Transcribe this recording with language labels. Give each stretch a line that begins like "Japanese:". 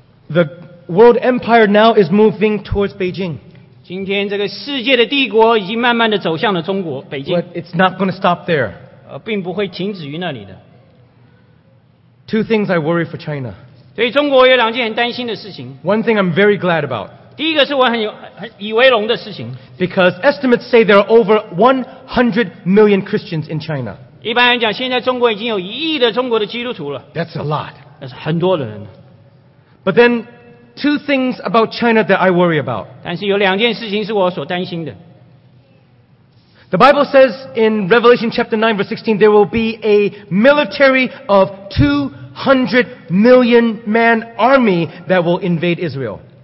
English: The world empire now is moving towards Beijing.
Chinese: 今天这个世界的帝国已经慢慢地走向了中国, 北京。
English: But it's not going to stop there.
Chinese: 并不会停止于那里的。
English: Two things I worry for China.
Chinese: 对中国有两件很担心的事情。
English: One thing I'm very glad about.
Chinese: 第一个是我很以为荣的事情。
English: Because estimates say there are over 100 million Christians in China.
Chinese: 一般来讲现在中国已经有一亿的中国的基督徒了。
English: That's a lot.
Chinese: 那是很多人。
English: But then, two things about China that I worry about. The Bible says in Revelation chapter 9 verse 16, there will be a military of 200 million man army that will invade Israel.